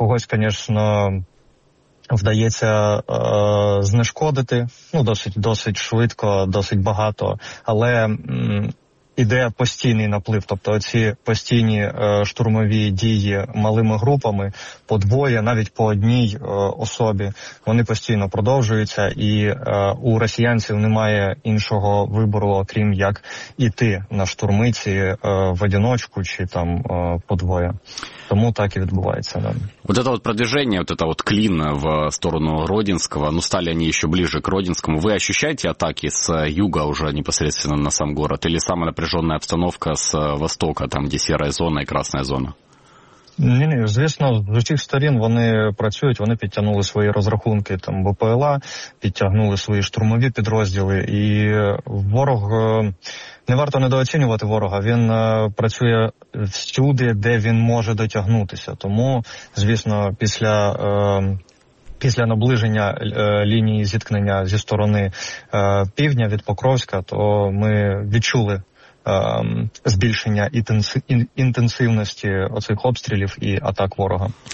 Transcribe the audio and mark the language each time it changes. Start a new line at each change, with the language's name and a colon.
Ukrainian: звісно, вдається знешкодити, ну, досить швидко, досить багато, але іде постійний наплив, тобто ці постійні штурмові дії малими групами, по двоє, навіть по одній особі, вони постійно продовжуються, і у росіянців немає іншого вибору, окрім як іти на штурми ці в одиночку чи там по двоє. Тому так і відбувається.
Russian: Да. Вот это вот продвижение, вот это вот клин в сторону Родинского, ну, стали они еще ближе к Родинскому. Вы ощущаете атаки с юга уже непосредственно на сам город? Или самая напряженная обстановка с востока, там, где серая зона и красная зона?
Ukrainian: Ні, звісно, з усіх сторін вони працюють, вони підтягнули свої розрахунки там БПЛА, підтягнули свої штурмові підрозділи, і ворог, не варто недооцінювати ворога, він працює всюди, де він може дотягнутися, тому, звісно, після наближення лінії зіткнення зі сторони півдня від Покровська, то ми відчули збільшення інтенсивності оцих обстрілів і атак ворога.